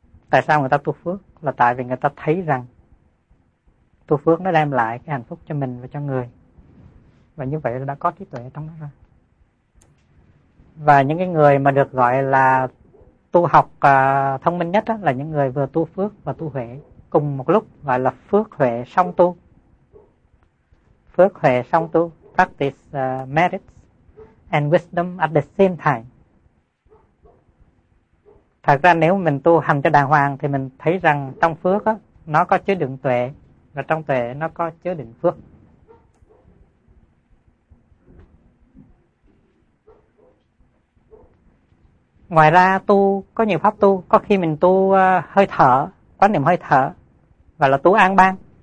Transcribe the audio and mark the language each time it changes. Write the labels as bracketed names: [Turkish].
[Vietnamese] Tại sao người ta tu phước? Là tại vì người ta thấy rằng tu phước nó đem lại cái hạnh phúc cho mình và cho người. Và như vậy đã có trí tuệ trong đó rồi. Và những cái người mà được gọi là tu học thông minh nhất đó, là những người vừa tu phước và tu huệ cùng một lúc, gọi là phước huệ song tu. Phước huệ song tu, [English] practice merit and wisdom at the same time. [Vietnamese] Thật ra nếu mình tu hành cho đàng hoàng thì mình thấy rằng trong phước á, nó có chứa đựng tuệ, và trong tuệ nó có chứa đựng phước. Ngoài ra tu có nhiều pháp tu, có khi mình tu hơi thở, quán niệm hơi thở gọi là tu an bang.